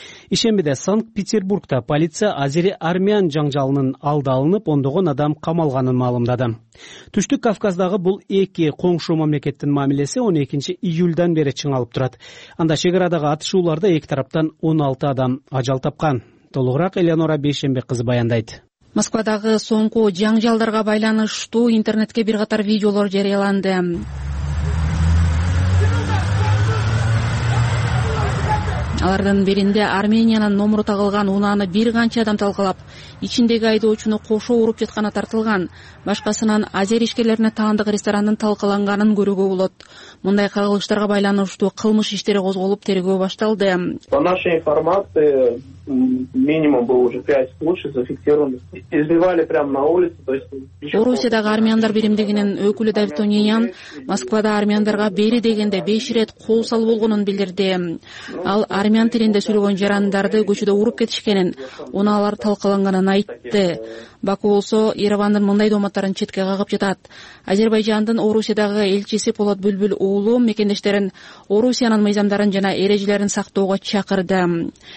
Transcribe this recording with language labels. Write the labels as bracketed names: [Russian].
[Kyrgyz] Ишембиде Санкт-Петербургда полиция азири армян жаңжалынын алды алынып, ондогон адам камалганын маалымдады. Түштүк Кавказдагы бул эки коңшу мамлекеттин мамилеси 12 июлдан бери чыңалып турат. Анда чекарадагы атышууларда эки тараптан 16 адам ажал тапкан. Толугураак Элеонора Бейшенбек кызы баяндайт. Москвадагы соңку жаңжалдарга байланыштуу интернетке бир катар видеолор жарыяланды. Алардын биринде Армениянын номуру тагылган унааны бир канча адам талкалап, ичиндеги айдоочуну кошо уруп жатканы тартылган, башкасынан азер ишкерлерине таандык ресторандын талкаланганын көрүүгө болот. Мындай кагылыштарга байланыштуу кылмыш иштери козголуп, тергөө башталды. [Russian] По нашей информации, минимум было уже 5 случаев зафиксированы. Избивали прямо на улице, то есть. [Kyrgyz] Орусиядагы армяндар биримдигинин өкүлү Давид Тонян Москвада армяндарга бери дегенде 5 ирет кол сал болгонун билдирди. Ал армян тилинде сүйлөгөн жарандарды көчөдө уруп кетишкенин, уну алар талкаланганын айтты. Баку болсо Еревандын мындай дооматтарын четке кагып жатат. Азербайжандын Орусиядагы элчиси Полат Бүлбүл уулу мекендештерин Орусиянын мыйзамдарын жана эрежелерин сактоого чакырды.